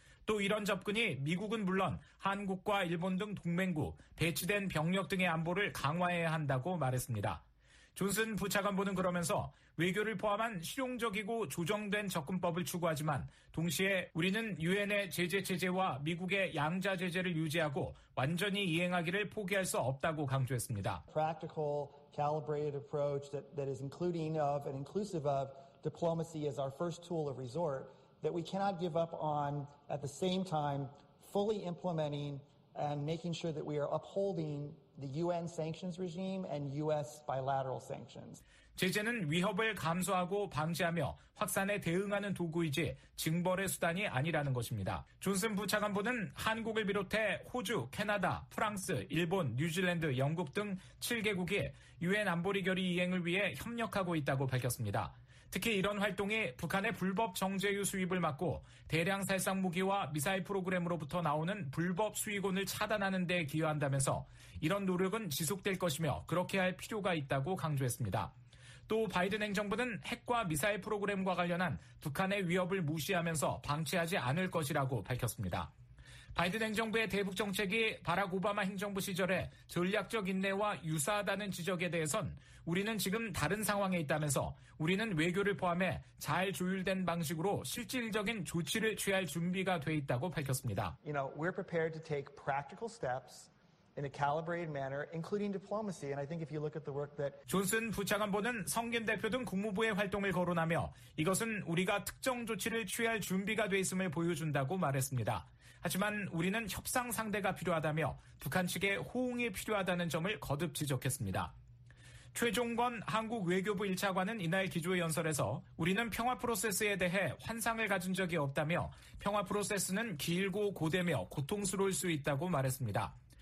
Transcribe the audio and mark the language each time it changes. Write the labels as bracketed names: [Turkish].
[Korean] 또 이런 접근이 미국은 물론 한국과 일본 등 동맹국, 배치된 병력 등의 안보를 강화해야 한다고 말했습니다. 존슨 부차관보는 그러면서 외교를 포함한 실용적이고 조정된 접근법을 추구하지만 동시에 우리는 유엔의 제재 체제와 미국의 양자 제재를 유지하고 완전히 이행하기를 포기할 수 없다고 강조했습니다. [English] Practical calibrated approach that is including of and inclusive of diplomacy as our first tool of resort. That we cannot give up on at the same time fully implementing and making sure that we are upholding the UN sanctions regime and US bilateral sanctions. [Korean] 제재는 위협을 감수하고 방지하며 확산에 대응하는 도구이지 징벌의 수단이 아니라는 것입니다. 존슨 부차관보는 한국을 비롯해 호주, 캐나다, 프랑스, 일본, 뉴질랜드, 영국 등 7개국이 UN 안보리 결의 이행을 위해 협력하고 있다고 밝혔습니다. 특히 이런 활동이 북한의 불법 정제유 수입을 막고 대량 살상 무기와 미사일 프로그램으로부터 나오는 불법 수익원을 차단하는 데 기여한다면서 이런 노력은 지속될 것이며 그렇게 할 필요가 있다고 강조했습니다. 또 바이든 행정부는 핵과 미사일 프로그램과 관련한 북한의 위협을 무시하면서 방치하지 않을 것이라고 밝혔습니다. 바이든 행정부의 대북 정책이 바락 오바마 행정부 시절에 전략적 인내와 유사하다는 지적에 대해선 우리는 지금 다른 상황에 있다면서 우리는 외교를 포함해 잘 조율된 방식으로 실질적인 조치를 취할 준비가 돼 있다고 밝혔습니다. [English] You know, we're prepared to take practical steps in a calibrated manner, including diplomacy. And I think if you look at the work that [Korean] 존슨 부차관보는 성김 대표 등 국무부의 활동을 거론하며 이것은 우리가 특정 조치를 취할 준비가 돼 있음을 보여준다고 말했습니다. 하지만 우리는 협상 상대가 필요하다며 북한 측의 호응이 필요하다는 점을 거듭 지적했습니다. 최종건 한국 외교부 1차관은 이날 기조의 연설에서 우리는 평화 프로세스에 대해 환상을 가진 적이 없다며 평화 프로세스는 길고 고되며 고통스러울 수 있다고 말했습니다.